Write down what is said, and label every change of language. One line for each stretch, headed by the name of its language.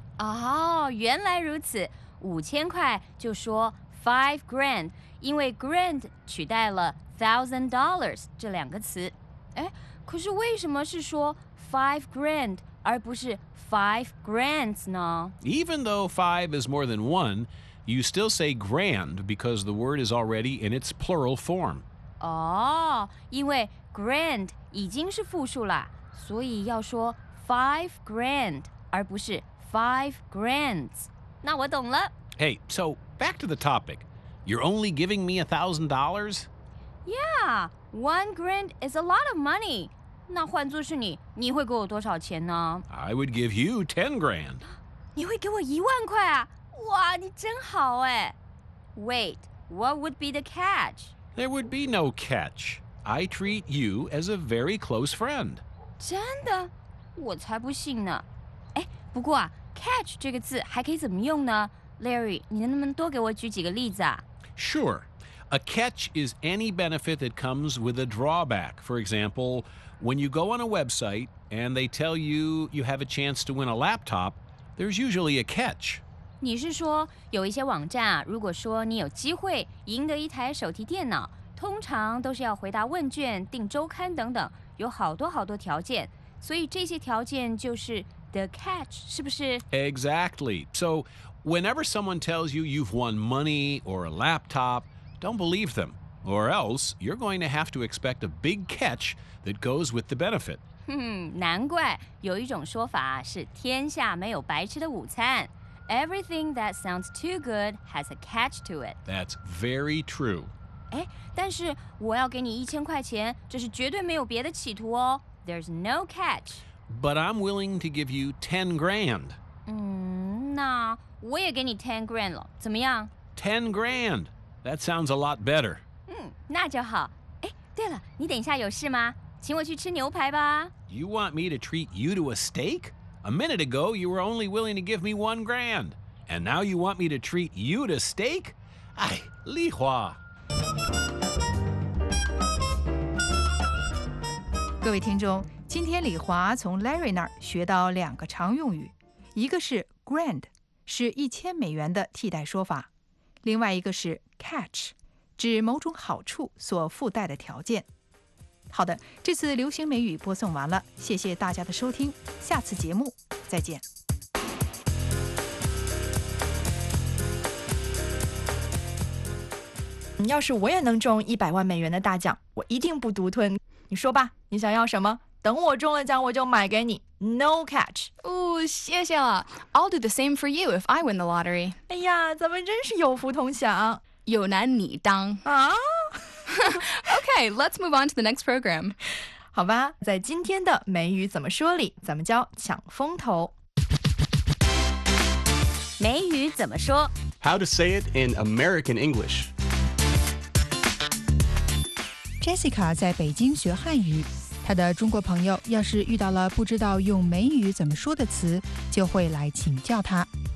Chinese: 哦、oh, ，原来如此，5,000块就说 $5,000， 因为 grand 取代了 $1,000 这两个词。哎，可是为什么是说 $5,000 而不是 $5,000 呢？
English: Even though five is more than one, You still say grand because the word is already in its plural form.
Chinese: Oh, 因为 grand 已经是复数了，所以要说
English: five grand
Chinese: 而不是
English: five grands.
Chinese: 那我懂了。
English: Hey, so back to the topic. You're only giving me $1,000? Yeah, one grand is a lot of money.
Chinese: 那换作是你，你会给我多少钱呢？
English: I would give you 10 grand.
Chinese: 你会给我10,000块啊？哇，你真好哎。
English: Wait, what would be the catch? There would be no catch. I treat you as a very close friend.
Chinese: 真的？我才不信呢。哎，不过啊 ,catch 这个字还可以怎么用呢？ Larry, 你能不能多给我举几个例子啊？
English: Sure. A catch is any benefit that comes with a drawback. For example, when you go on a website and they tell you you have a chance to win a laptop, there's usually a catch.
Chinese: 你是说有一些网站啊，如果说你有机会赢得一台手提电脑，通常都是要回答问卷、订周刊等等，有好多好多条件，所以这些条件就是 the catch， 是不是？
English: Exactly. So whenever someone tells you you've won money or a laptop, don't believe them, or else you're going to have to expect a big catch that goes with the benefit.
Chinese: 难怪有一种说法是天下没有白吃的午餐。
English: Everything that sounds too good has a catch to it. That's very true.
Chinese: 哎，但是我要给你1,000块钱，这是绝对没有别的企图哦。
English: There's no catch. But I'm willing to give you 10 grand.
Chinese: 那我也给你10 grand 了，怎么样？
English: 10 grand. That sounds a lot better.
Chinese: 那就好。哎，对了，你等一下有事吗？请我去吃牛排吧。
English: You want me to treat you to a steak? A minute ago, you were only willing to give me 1 grand. And now you want me to treat you to steak? Ay, Li Hua.
Chinese: 各位听众，今天李华从 Larry 那儿学到两个常用语。一个是 grand, 是$1,000的替代说法。另外一个是 catch, 指某种好处所附带的条件。好的，这次流行美语播送完了，谢谢大家的收听，下次节目再见。要是我也能中$1,000,000的大奖，我一定不独吞。你说吧，你想要什么？等我中了奖，我就买给你。
English: No catch.
Chinese: 哦，谢谢了。 I'll do the same for you if I win the lottery. 哎呀，咱们真是有福同享。有难你当。啊？
English: Okay, let's move on to the next program.
Chinese: 好吧，在今天的美语怎么说里，咱们教抢风头。美语怎么说？
English: How to say it in American English.
Chinese: Jessica 在北京学汉语，她的中国朋友要是遇到了不知道用美语怎么说的词，就会来请教她。